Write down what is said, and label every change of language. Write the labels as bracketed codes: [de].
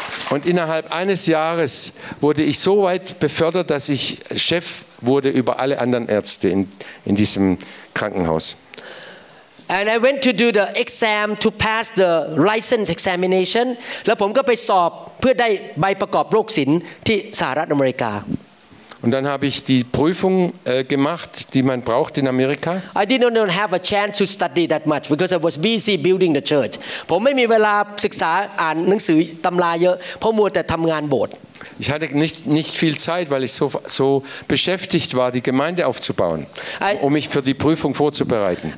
[de] Und innerhalb eines Jahres wurde ich so weit befördert, dass ich Chef wurde über alle anderen Ärzte in diesem Krankenhaus. [en] And I went to do the exam to pass the license examination. [th] แล้วผมก็ไปสอบเพื่อได้ใบประกอบโรคศิลป์ที่สหรัฐอเมริกา [de] Und dann habe ich die Prüfung gemacht, die man braucht in Amerika. [en] I did not have a chance to study that much because I was busy building the church. [th] ผมไม่มีเวลาศึกษาอ่านหนังสือตำราเยอะเพราะมัวแต่ทำงานโบสถ์ [de] Ich hatte nicht viel Zeit, weil ich so beschäftigt war, die Gemeinde aufzubauen, um mich für die Prüfung vorzubereiten.